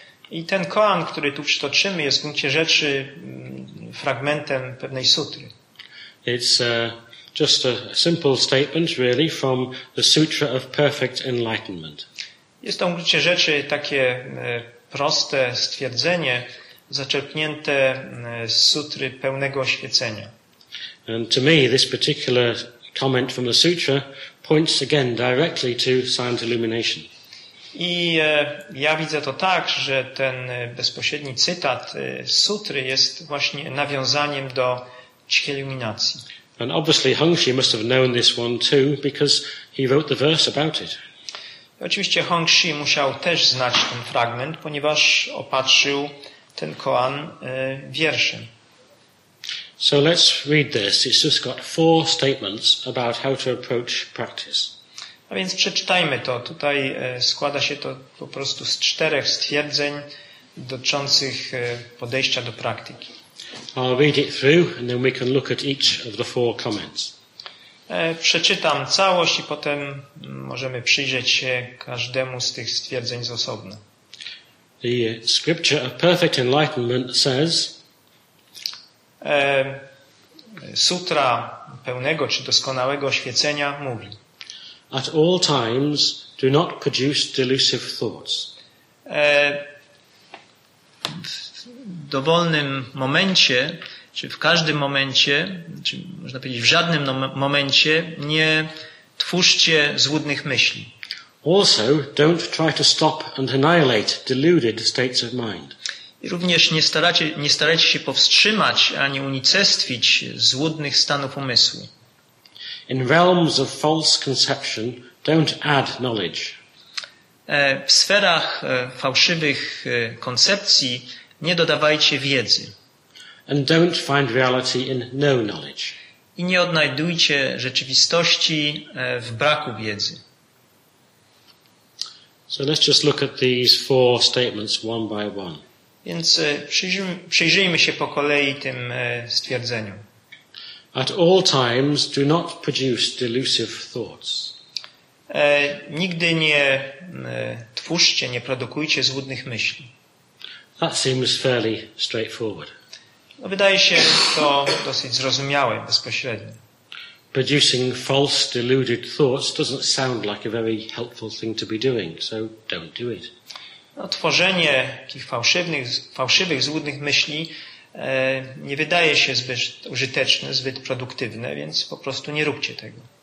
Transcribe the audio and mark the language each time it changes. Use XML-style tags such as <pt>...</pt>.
<pl>I ten koan, który tu przytoczymy, jest w gruncie rzeczy fragmentem pewnej sutry.</pl> <en>It's just a simple statement really from the Sutra of Perfect Enlightenment.</en> <pl>Jest to w gruncie rzeczy takie proste stwierdzenie, zaczerpnięte z sutry pełnego oświecenia.</pl> <en>And to me, this particular comment from the sutra points again directly to silent illumination.</en> <pl>I ja widzę to tak, że ten bezpośredni cytat z sutry jest właśnie nawiązaniem do cichej iluminacji.</pl> <en>And obviously Hongxi must have known this one too, because he wrote the verse about it.</en> <pl>I oczywiście Hongxi musiał też znać ten fragment, ponieważ opatrzył ten koan wierszem.</pl> <en>So let's read this. It's just got four statements about how to approach practice.</en> <pl>A więc przeczytajmy to. Tutaj składa się to po prostu z czterech stwierdzeń dotyczących podejścia do praktyki.</pl> <en>I'll read it through and then we can look at each of the four comments.</en> <pl>Przeczytam całość i potem możemy przyjrzeć się każdemu z tych stwierdzeń z osobna.</pl> <en>The scripture of perfect enlightenment says</en> <pl>sutra pełnego czy doskonałego oświecenia mówi:</pl> <en>at all times do not produce delusive thoughts.</en> <pl>W dowolnym momencie, czy w każdym momencie, czy można powiedzieć w żadnym momencie nie twórzcie złudnych myśli.</pl> <en>Also, don't try to stop and annihilate deluded states of mind.</en> <pl>I również nie starajcie się powstrzymać ani unicestwić złudnych stanów umysłu.</pl> <en>In realms of false conception, don't add knowledge.</en> <pl>W sferach fałszywych koncepcji nie dodawajcie wiedzy.</pl> <en>And don't find reality in no knowledge.</en> <pl>I nie odnajdujcie rzeczywistości w braku wiedzy.</pl> <en>So let's just look at these four statements one by one.</en> <pl>Więc przyjrzyjmy się po kolei tym stwierdzeniom.</pl> <en>At all times do not produce delusive thoughts.</en> <pl>Nigdy nie twórzcie, nie produkujcie złudnych myśli.</pl> <en>That seems fairly straightforward.</en> <pl>No, wydaje się to dosyć zrozumiałe, bezpośrednie.</pl> <en>Producing false, deluded thoughts doesn't sound like a very helpful thing to be doing, so don't do it.</en> <pl>No, tworzenie takich fałszywych, złudnych myśli nie wydaje się zbyt użyteczne, zbyt produktywne, więc po prostu nie róbcie tego.</pl>